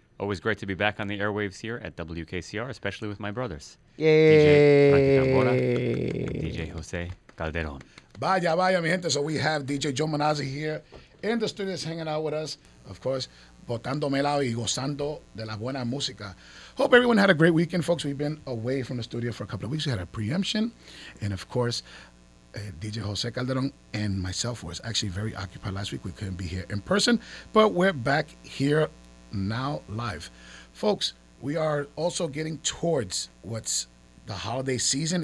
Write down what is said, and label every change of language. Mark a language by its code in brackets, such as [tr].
[en] Always great to be back on the airwaves here at WKCR, especially with my brothers. Yay. DJ Frankie Tambora, DJ Jose Calderon. [es] Vaya, vaya, mi gente. [en] So we have DJ Joe Menaz here in the studios hanging out with us. Of course, [es] botando melao y gozando de la buena música. [en] Hope everyone had a great weekend, folks. We've been away from the studio for a couple of weeks. We had a preemption. And, of course, DJ Jose Calderon and myself was actually very occupied last week. We couldn't be here in person. But we're back here now live. Folks, we are also getting towards what's the holiday season.